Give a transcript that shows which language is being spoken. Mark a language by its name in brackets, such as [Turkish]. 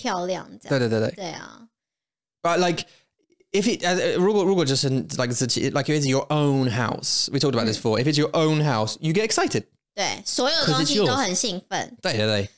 [Chinese] 就会更多，你看到会更就是更漂亮这样。对对对对。对啊。But [English] like if it [Chinese] 如果 [English] just in, like it's your own house. We talked about this before. If it's your own house, you get excited. [Chinese] 对，所有东西都很兴奋。对对对。